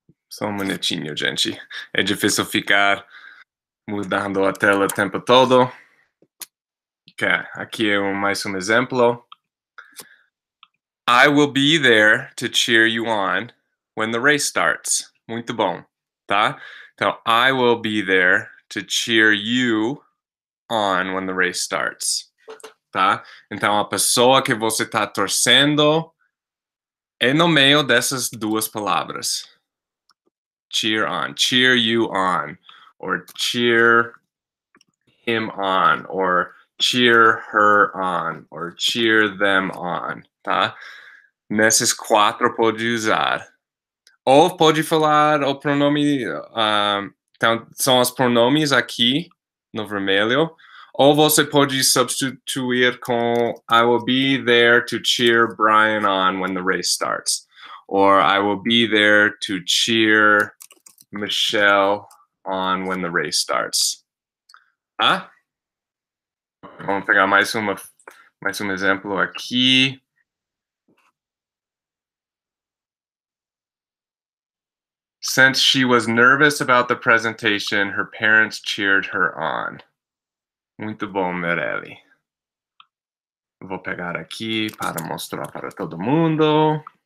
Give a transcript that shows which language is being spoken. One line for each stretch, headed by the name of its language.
Portuguese: Só um minutinho, gente. É difícil ficar mudando a tela o tempo todo. Okay, aqui é mais um exemplo.
English: I will be there to cheer you on when the race starts.
Portuguese: Muito bom, tá? Então,
English: I will be there to cheer you on when the race starts, tá?
Portuguese: Então, a pessoa que você está torcendo é no meio dessas duas palavras.
English: Cheer on, cheer you on, or cheer him on, or cheer her on, or cheer them on, tá?
Portuguese: Nesses quatro pode usar. Ou pode falar o pronome, então são os pronomes aqui no vermelho, ou você pode substituir com
English: I will be there to cheer Brian on when the race starts, or I will be there to cheer Michelle on when the race starts. Ah?
Portuguese: Vamos pegar mais um exemplo aqui.
English: Since she was nervous about the presentation, her parents cheered her on.
Portuguese: Muito bom, Mirelli. Vou pegar aqui para mostrar para todo mundo.